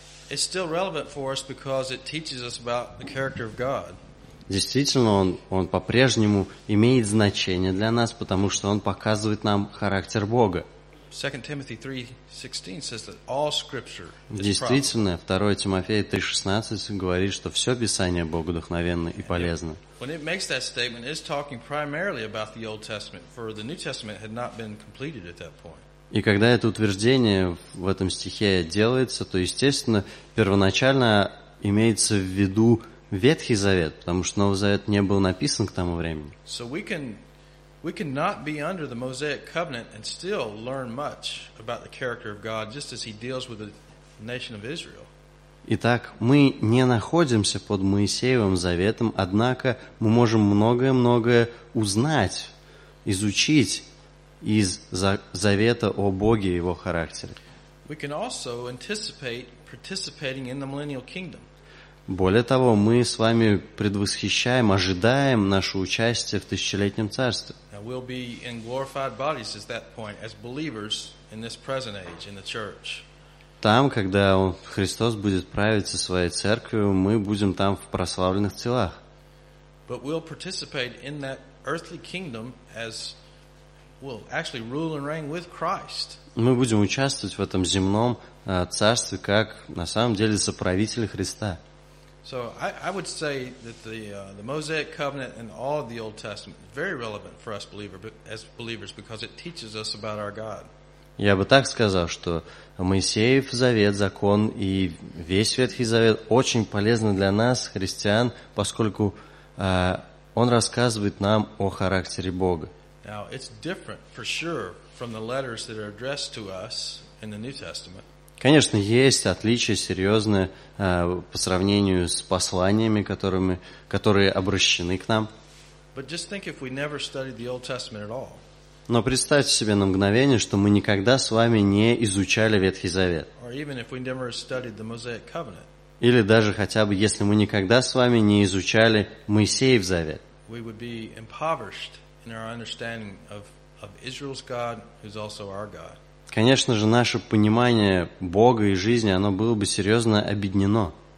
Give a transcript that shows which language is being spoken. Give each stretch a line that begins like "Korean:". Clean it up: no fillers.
English: It's still relevant for us because it teaches us about the character of God.
Russian: действительно, он по-прежнему имеет значение для нас, потому что он показывает нам характер Бога.
English: 2 Timothy 3:16 says that all scripture is profitable.
Russian: Действительно, 2 Тимофея 3:16 говорит, что все Писание Боговдохновенно и полезно.
English: When it makes that statement, it's talking primarily about the Old Testament, for the New Testament had not been completed at that point.
Russian: И когда это утверждение в этом стихе делается, то, естественно, первоначально имеется в виду Ветхий Завет, потому что Новый Завет не был написан к тому времени.
English: So we cannot be under the Mosaic covenant and still learn much about the character of God, just as He deals with the nation of Israel.
Russian: Итак, мы не находимся под Моисеевым Заветом, однако мы можем многое-многое узнать, изучить из Завета о Боге и Его характере.
English: We can also anticipate participating in the millennial kingdom.
Russian: Более того, мы с вами предвосхищаем, ожидаем наше участие в тысячелетнем царстве.
English: Now we'll be in glorified bodies at that point as believers in this present age in the church.
Russian: Там, когда Христос будет править со своей церковью, мы будем там в прославленных телах.
English: But we'll participate in that earthly kingdom as we'll actually rule and reign with Christ.
Russian: Мы будем участвовать в этом земном царстве как на самом деле соправители Христа.
English: So I would say that the Mosaic covenant and all of the Old Testament is very relevant for us believers because it teaches us about our God.
Russian: Я бы так сказал, что Моисеев Завет, закон и весь Ветхий Завет очень полезны для нас, христиан, поскольку он рассказывает нам о характере Бога.
English: Now it's different for sure from the letters that are addressed to us in the New Testament.
Russian: Конечно, есть отличия серьезные по сравнению с посланиями, которые обращены к нам.
English: But just think if we never studied the Old Testament at all.
Russian: Но представьте себе на мгновение, что мы никогда с вами не изучали Ветхий Завет.
English: Or even if we never studied the Mosaic Covenant.
Russian: Или даже хотя бы, если мы никогда с вами не изучали Моисеев Завет.
English: We would be impoverished in our understanding of Israel's God, who's also our God.
Russian: Конечно же, наше понимание Бога и жизни, оно было бы серьезно обеднено.